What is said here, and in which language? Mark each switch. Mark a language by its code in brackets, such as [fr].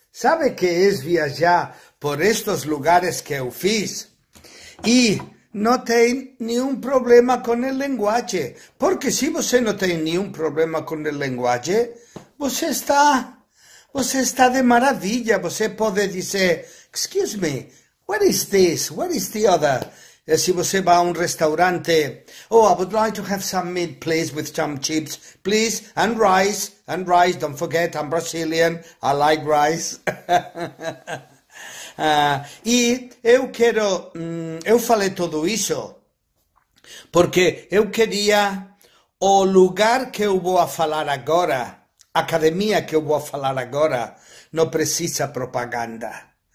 [pt] Sabe que é viajar por estes lugares que eu fiz? E não tem nenhum problema com a linguagem. Porque se você não tem nenhum problema com a linguagem, você está de maravilha. Você pode dizer, [en] excuse me, what is this? What is the other? [pt] E se você vai a um restaurante, [en] oh, I would like to have some meat, please, with some chips, please, and rice. And rice, don't forget, I'm Brazilian, I like rice. [pt] E eu quero, eu falei tudo isso porque eu queria o lugar que eu vou a falar agora, a academia que eu vou a falar agora, não precisa propaganda.